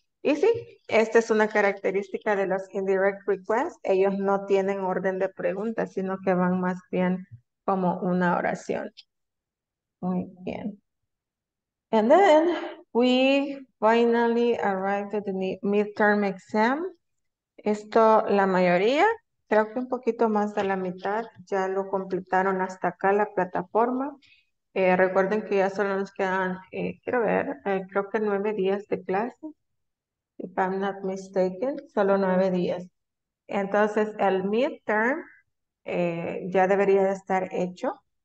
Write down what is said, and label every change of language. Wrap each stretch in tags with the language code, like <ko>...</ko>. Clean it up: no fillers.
<es>Y sí, esta es una característica de los indirect requests. Ellos no tienen orden de preguntas, sino que van más bien como una oración. Muy bien.</es> <en>And then we finally arrived at the midterm exam.</en> <es>Esto, la mayoría, creo que un poquito más de la mitad, ya lo completaron hasta acá la plataforma. Recuerden que ya solo nos quedan, creo que 9 días de clase.</es> <en>If I'm not mistaken,</en> <es>solo 9 días. Entonces, el midterm ya debería de estar hecho.</es>